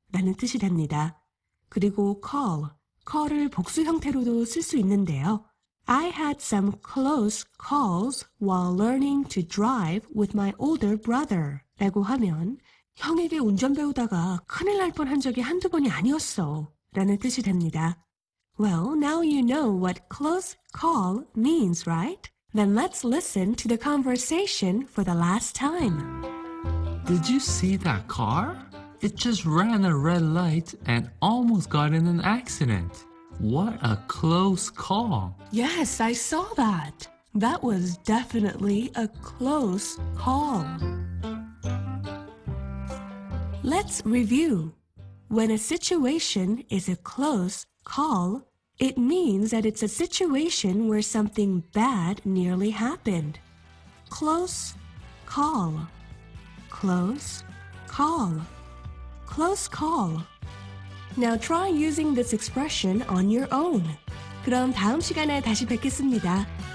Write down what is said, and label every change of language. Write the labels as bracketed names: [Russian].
[Korean] 라는 뜻이 됩니다. 그리고 call, call을 복수 형태로도 쓸 수 있는데요. [English] I had some close calls while learning to drive with my older brother. [Korean] 라고 하면 형에게 운전 배우다가 큰일 날 뻔한 적이 한두 번이 아니었어 라는 뜻이 됩니다. [English] Well, now you know what close call means, right? Then let's listen to the conversation for the last time. Did you see that car? It just ran a red light and almost got in an accident. What a close call. Yes, I saw that. That was definitely a close call. Let's review. When a situation is a close call, it means that it's a situation where something bad nearly happened. Close call. Close call. Close call. Now try using this expression on your own. [Korean] 그럼 다음 시간에 다시 뵙겠습니다.